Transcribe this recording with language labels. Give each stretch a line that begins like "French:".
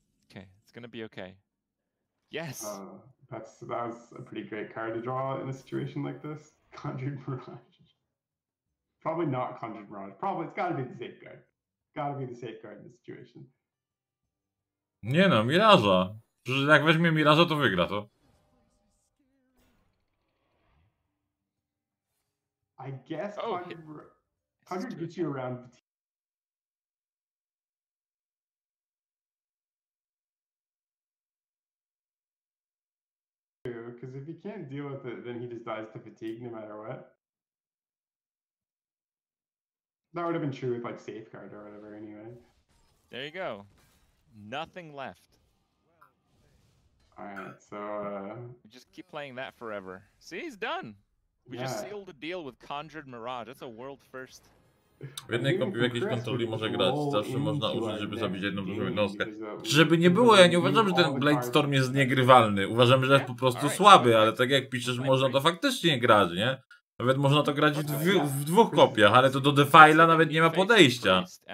English: Okay, it's gonna be okay. Yes! That was a pretty great card to draw in a situation like this. Conjured Mirage. Probably not Conjured Mirage. Probably, it's gotta be the safeguard. Gotta be the safeguard in this situation.
Polish: Nie no, Miraża. Przecież jak weźmie Miraża, to wygra to.
English: I guess Conjured Mirage. Conjured gets you around fatigue. Because if he can't deal with it, then he just dies to fatigue no matter what. That would have been true with like Safeguard or whatever anyway. There you go. Nothing left. Alright, so... We just keep playing that forever. See, he's done! We just sealed the deal with Conjured Mirage. That's a world first.
Polish: W jednej kompi, w jakiejś kontroli może grać. Zawsze można użyć, żeby zabić jedną dużą jednostkę. Żeby nie było, ja nie uważam, że ten Bladestorm jest niegrywalny. Uważam, że jest po prostu słaby, ale tak jak piszesz, można to faktycznie grać, nie? Nawet można to grać w dwóch kopiach, ale to do Defile'a nawet nie ma podejścia.